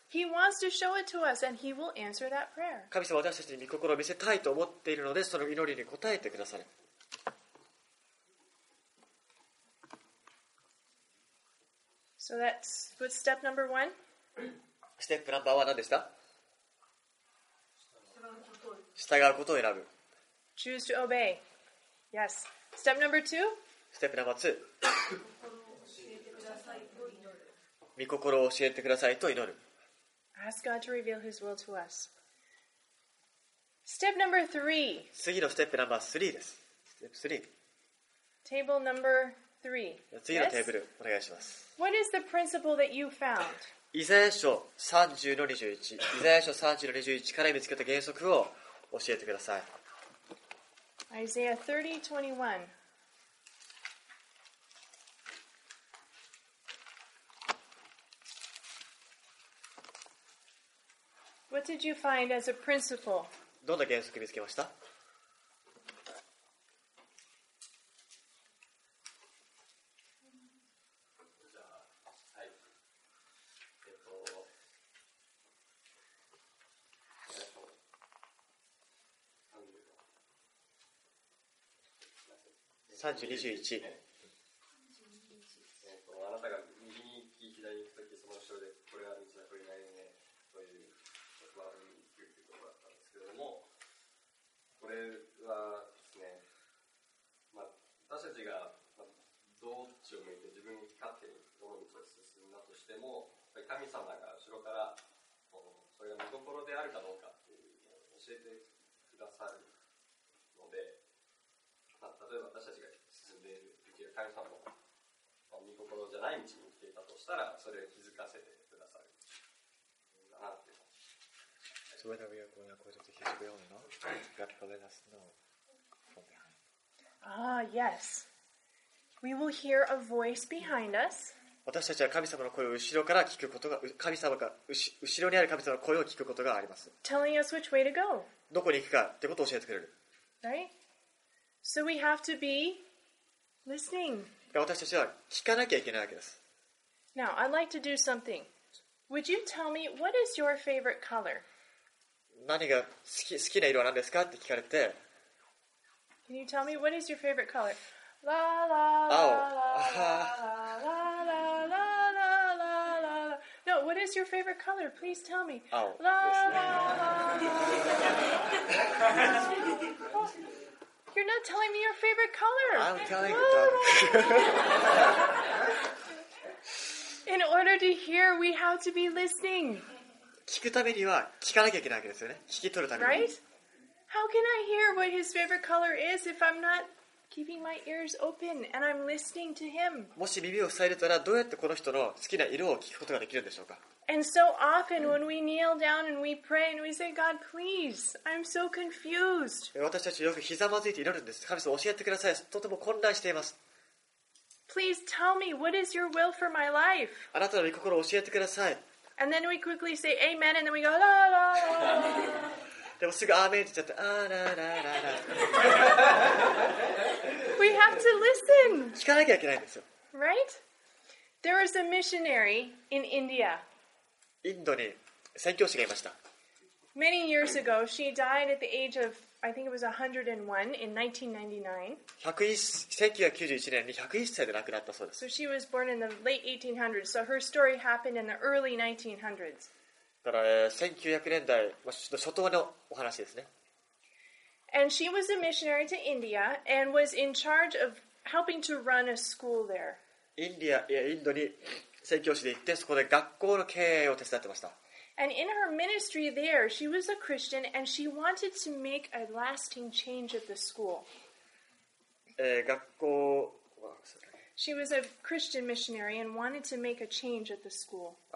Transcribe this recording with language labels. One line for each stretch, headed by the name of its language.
English: He wants to show it to us, and He will answer that prayer.
Japanese: 神様は私たちに御心を見せたいと思っているので、その祈りに応えてくださる。
English: So that's what step number one.
Japanese: ステップナンバーは何でした? 従うことを選ぶ。
English: Choose to obey. Yes. Step number two?
Japanese: ステップナンバー2。心を教えてくださいと祈る。御心を教えてくださいと祈る。
English: Ask God to reveal His will to us. Step number three.
Japanese: 次のステップナンバー3です。ステップ
English: 3。 Table number three.
Japanese: 次のテーブル、お願いします。
English: What is the principle that you found?
Japanese: イザヤ書 30-21 イザヤ書 30-21 から見つけた原則を教えてください。
English: イザヤ 30-21 What did you find as a principle?
Japanese: どんな原則見つけました? 30、21。あなたが右に行き、左に行くとき、その後ろで、これは道はこれないよね、という、悪い行くということだったんですけれども、これはですね、まあ、私たちが、まあ、どっちを向いて、自分勝手にどの道を進んだとしても、やっぱり神様が後ろから、それが見所であるかどうかっていうのを教えてくださるので、まあ、例えば私たちが、神様の御心じゃない道に来ていたとしたら、それを気づかせてくださるだなって。
English: So whether we are going according to His will or not, God will let us know from behind. Ah, yes. We will hear a voice behind us.
Japanese: 私たちは神様の声を後ろから聞くことが、神様が後ろにある神様の声を聞くことがあります。
English: Telling us which way to go.
Japanese: どこに行くかってことを教えてくれる。
English: Right? So we have to be listening.
Japanese: 私たちは聞かなきゃいけないわけです。
English: Now, I'd like to do something. Would you tell me, what is your favorite color?
Japanese: 何が好きな色は何ですかって聞かれて。
English: Can you tell me, what is your favorite color? La la la la la la la la la la. No, what is your favorite color? Please tell me. La la la la la la. You're not telling me your favorite color. I'm telling you. In order to hear, we have to be listening.
Japanese: 聞くためには聞かなきゃいけないわけですよね。聞き取るために。
English: Right? How can I hear what his favorite color is if I'm not keeping my ears open and I'm listening to him?
Japanese: もし耳を塞いでたら、どうやってこの人の好きな色を聞くことができるんでしょうか？
English: And so often when we kneel down and we pray and we say, God, please, I'm so confused.
Japanese: 私たちよくひざまずいて祈るんです。神様、教えてください。とても混乱しています。
English: Please tell me, what is your will for my life?
Japanese: あなたの御心を教えてください。
English: And then we quickly say amen, and then we go la la la.
Japanese: でもすぐアーメンって言っちゃって、ラララララ。
English: We have to listen.
Japanese: 聞かなきゃいけないんですよ。
English: Right? There was a missionary in India.
Japanese: インドに宣教師がいました。
English: Many years ago, she died at the age of, I think it was 101 in 1999.
Japanese: 101, 1991年に101歳で亡くなったそうです。
English: So she was born in the late 1800s. So her story happened in the early 1900s.
Japanese: から1900年代の初頭のお話ですね。
English: And she was a missionary to India and was in charge of helping to run a school there.
Japanese: インドに宣教師で行って、そこで学校の経営を手伝ってました。
English: And in her ministry there, she was a Christian and she wanted to make a lasting change at the school.
Japanese: 学校。
English: She was a Christian missionary and wanted to make a change at the school.